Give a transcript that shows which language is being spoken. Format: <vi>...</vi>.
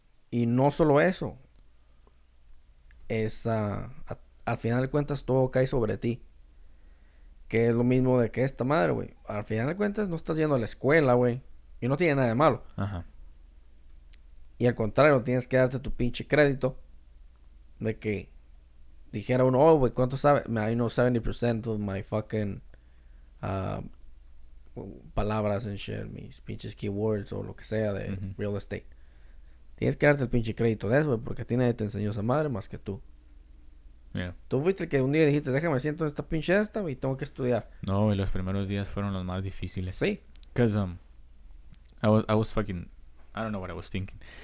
<es>Y no solo eso. Es al final de cuentas todo cae sobre ti. Que es lo mismo de que esta madre, güey. Al final de cuentas no estás yendo a la escuela, güey. Y no tiene nada de malo. Ajá. Y al contrario, tienes que darte tu pinche crédito. De que dijera uno, oh, güey, ¿cuánto sabe?</es> <en>I know 70% of my fucking</en> <es>palabras</es> <en>and shit.</en> <es>Mis pinches keywords o lo que sea de mm-hmm. real estate. Tienes que darte el pinche crédito de eso, güey, porque a ti nadie te enseñó esa madre más que tú.</es> <en>Yeah.</en> <es>Tú fuiste el que un día dijiste, déjame siento en esta pinche esta, güey, tengo que estudiar. No, y los primeros días fueron los más difíciles. Sí.</es> <en>Because, I was fucking, I don't know what I was thinking.</en>